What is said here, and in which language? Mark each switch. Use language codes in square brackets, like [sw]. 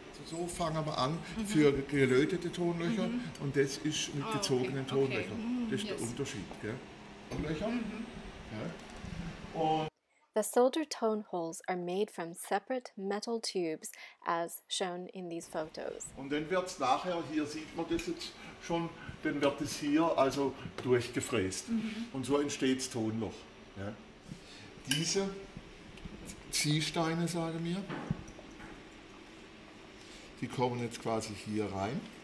[de] So fangen wir an für gelötete Tonlöcher und das ist mit gezogenen Tonlöchern. Das ist der Unterschied, gell? Tonlöcher. [en] The solder tone holes are made from separate metal tubes, as shown in these photos. [de] Und dann wird es nachher, hier sieht man das jetzt schon, dann wird es hier also durchgefräst. Mm-hmm. Und so entsteht das Tonloch. Ja. Diese Ziehsteine, sage mir, die kommen jetzt quasi hier rein.